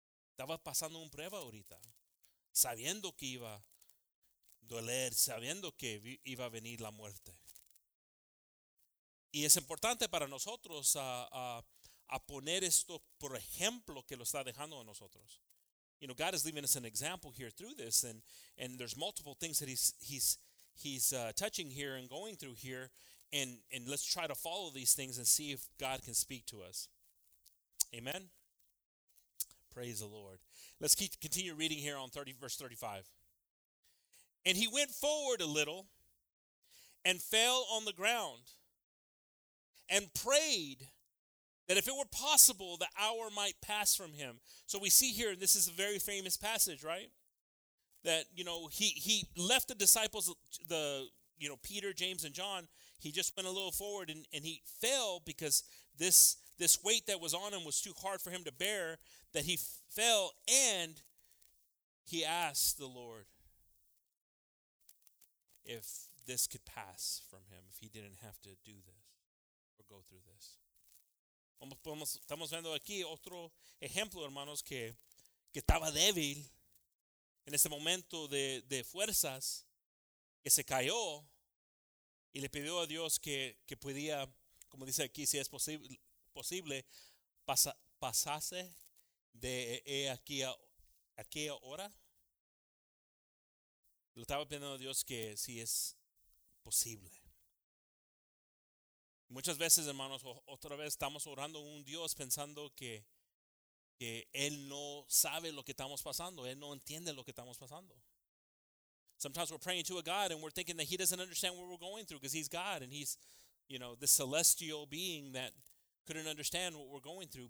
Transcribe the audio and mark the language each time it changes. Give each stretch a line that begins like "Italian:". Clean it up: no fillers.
Spanish: Estaba pasando un prueba ahorita, sabiendo que iba a doler, sabiendo que iba a venir la muerte. Y es importante para nosotros a poner esto por ejemplo que lo está dejando a nosotros.
English: You know, God is leaving us an example here through this, and there's multiple things that he's touching here and going through here, and let's try to follow these things and see if God can speak to us. Amen. Praise the Lord. Let's continue reading here on verse 35. "And he went forward a little and fell on the ground and prayed that if it were possible, the hour might pass from him. So we see here, and this is a very famous passage, right? That, you know, he left the disciples, the, you know, Peter, James, and John. He just went a little forward, and he fell because this weight that was on him was too hard for him to bear, that he fell, and he asked the Lord if this could pass from him, if he didn't have to do this or go through this.
Spanish: Estamos viendo aquí otro ejemplo, hermanos, que estaba débil en ese momento de fuerzas, que se cayó y le pidió a Dios que pudiera, como dice aquí, si es posible pasase de aquella hora. Lo estaba pidiendo a Dios que si es posible. Muchas veces, hermanos, otra vez estamos orando a un Dios pensando que Él no sabe lo que estamos pasando. Él no entiende lo que estamos pasando.
English: Sometimes we're praying to a God and we're thinking that He doesn't understand what we're going through because He's God and He's, you know, the celestial being that couldn't understand what we're going through.